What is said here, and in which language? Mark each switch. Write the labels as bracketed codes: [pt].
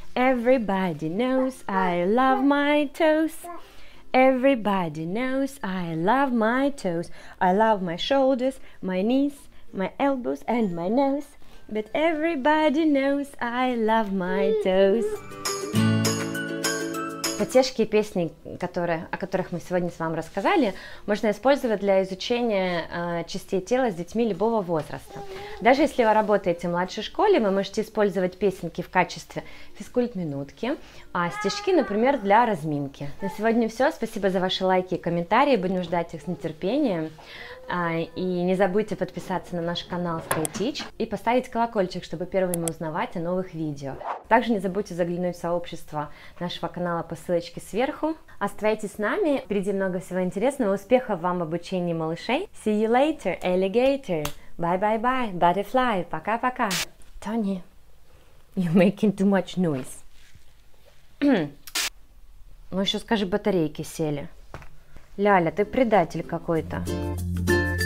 [en] Everybody knows I love my toes. Everybody knows I love my toes. I love my shoulders, my knees, my elbows and my nose. But everybody knows I love my toes. [ru] Потешки и песни, о которых мы сегодня с вами рассказали, можно использовать для изучения частей тела с детьми любого возраста. Даже если вы работаете в младшей школе, вы можете использовать песенки в качестве физкульт-минутки, а стишки, например, для разминки. На сегодня все. Спасибо за ваши лайки и комментарии. Будем ждать их с нетерпением. И не забудьте подписаться на наш канал SkyTeach и поставить колокольчик, чтобы первыми узнавать о новых видео. Также не забудьте заглянуть в сообщество нашего канала по ссылочке сверху. Оставайтесь с нами, впереди много всего интересного. Успехов вам в обучении малышей. [en] See you later, alligator. Bye-bye-bye, butterfly. [ru] Пока-пока. [en] Tony, you're making too much noise. [ru] Ну еще скажи, батарейки сели. Ляля, ты предатель какой-то.